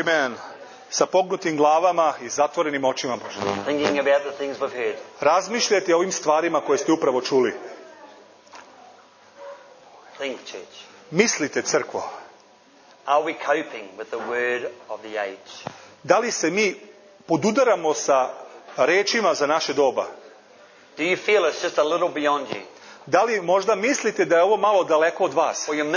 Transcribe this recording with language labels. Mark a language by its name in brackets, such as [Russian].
[Serbian] Amen. Sa pognutim glavama i zatvorenim očima, Bože. [English] Thinking about the things we've heard. [Serbian] Razmišljajte o ovim stvarima koje ste upravo čuli. [English] Think, church. [Serbian] Mislite, crkvo. [English] Are we coping with the word of the age? [Serbian] Da li se mi podudaramo sa rečima za naše doba? [English] Do you feel it's just a little beyond you? [Serbian] Da li možda mislite da je ovo malo daleko od vas?